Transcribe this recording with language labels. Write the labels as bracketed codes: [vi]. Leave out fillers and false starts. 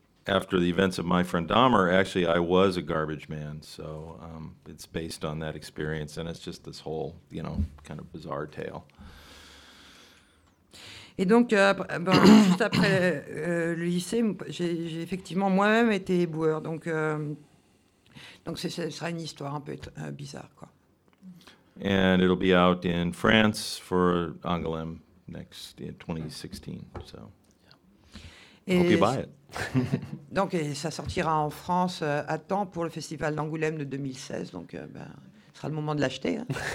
[en] After the events of My Friend Dahmer, actually I was a garbage man, so it's based on that experience, and it's just this whole, you know, kind of bizarre tale. [fr] Et donc, juste après le lycée, j'ai effectivement moi-même été éboueur, donc ce sera une histoire un peu bizarre, quoi. [en] And it'll be out in France for Angoulême next in 2016. So, yeah. Hope you buy it. [fr] Donc, et ça sortira en France à temps pour le festival d'Angoulême de 2016. Donc, ce sera le moment de l'acheter. Hein.